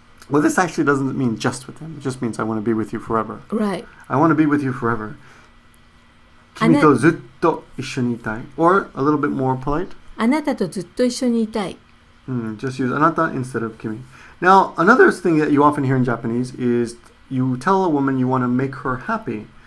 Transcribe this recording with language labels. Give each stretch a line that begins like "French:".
English: Well, this actually doesn't mean just with them. It just means I want to be with you forever. Right. I want to be with you forever.
Japanese: 君とずっと一緒にいたい。
English: Or a little bit more polite.
Japanese: あなたとずっと一緒にいたい。
English: Just use あなた instead of 君. Now, another thing that you often hear in Japanese is you tell a woman you want to make her happy.